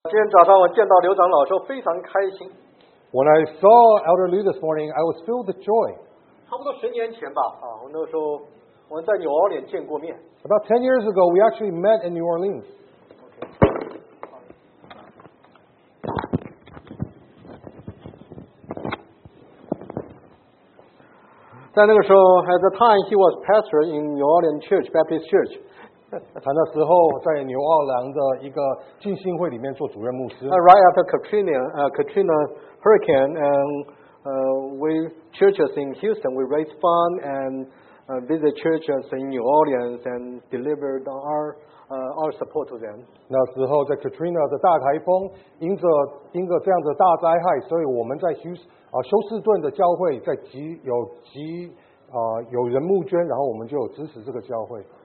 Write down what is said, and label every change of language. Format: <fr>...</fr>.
<zh>今天早上我见到刘长老的时候非常开心。</zh> <en>When I saw Elder Liu this morning, I was filled with joy.</en> <zh>差不多十年前吧，啊，我那时候我们在纽奥良见过面。</zh> <en>About 10 years ago, we actually met in New Orleans. Okay.</en> <zh>在那个时候</zh> <en>，at the time he was pastor in New Orleans Church, Baptist Church.</en> <zh>他那时候在纽奥良的一个浸信会里面做主任牧师。</zh> <en>Right after Katrina Hurricane, and we churches in Houston, we raised funds and visit churches in New Orleans and delivered our support to them.</en> <zh>那时候在 Katrina 的大台风，因着这样的大灾害，所以我们在休斯顿的教会在有人募捐，然后我们就有支持这个教会。</zh>